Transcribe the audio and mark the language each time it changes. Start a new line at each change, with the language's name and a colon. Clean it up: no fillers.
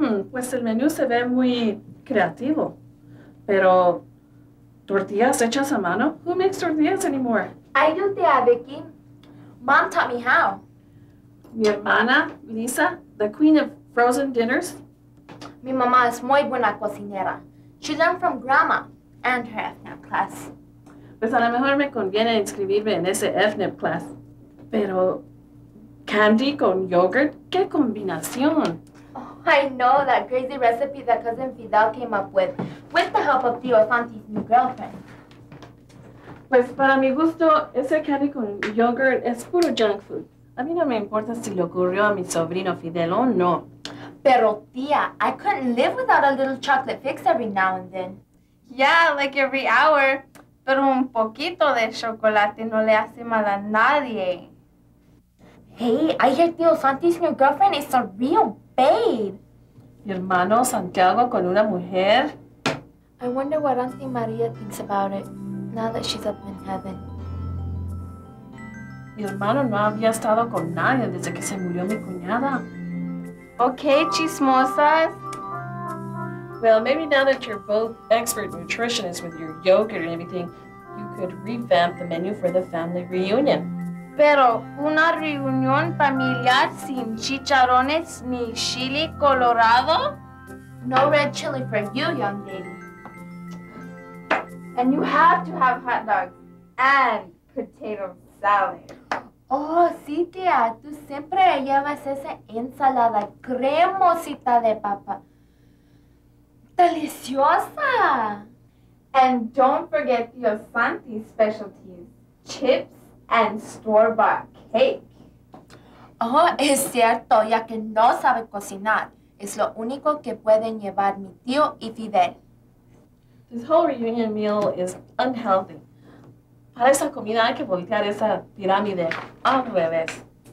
Spanish: Pues el menú se ve muy creativo. Pero, ¿tortillas hechas a mano?
English: Who makes tortillas anymore? I do, Tia Vicky. Mom taught me how.
Spanish: Mi hermana,
English: Lisa, the queen of frozen dinners.
Spanish: Mi mamá es muy buena cocinera.
English: She learned from grandma and her FNAP class.
Spanish: Pues a lo mejor me conviene inscribirme en ese FNAP class. Pero, candy con yogurt? ¿Qué combinación?
English: Oh, I know that crazy recipe that Cousin Fidel came up with the help of Tio Santi's new girlfriend.
Spanish: Pues para mi gusto, ese candy con yogurt es puro junk food. A mí no me importa si le ocurrió a mi sobrino Fidel o no. Pero tía,
English: I couldn't live without a little chocolate fix every now and then. Yeah, like every hour.
Spanish: Pero un poquito de chocolate no le hace mal a nadie.
English: Hey, I hear Tio Santi's new girlfriend is a real babe.
Spanish: ¿Mi hermano Santiago con una mujer?
English: I wonder what Auntie Maria thinks about it, now that she's up in heaven.
Spanish: Mi hermano no había estado con nadie desde que se murió mi cuñada.
English: Okay, chismosas. Well, maybe now that you're both expert nutritionists with your yogurt and everything, you could revamp the menu for the family reunion.
Spanish: Pero una reunión familiar sin chicharrones ni chili colorado?
English: No red chili for you, young lady. And you have to have hot dogs and potato salad.
Spanish: Oh, sí, tía. Tú siempre llevas esa ensalada cremosita de papa. Deliciosa.
English: And don't forget Tio Santi's specialties, chips and store-bought cake.
Spanish: Oh, es cierto, ya que no sabe cocinar. Es lo único que pueden llevar mi tío y Fidel.
English: This whole reunion meal is unhealthy.
Spanish: Para esa comida hay que voltear esa pirámide al revés.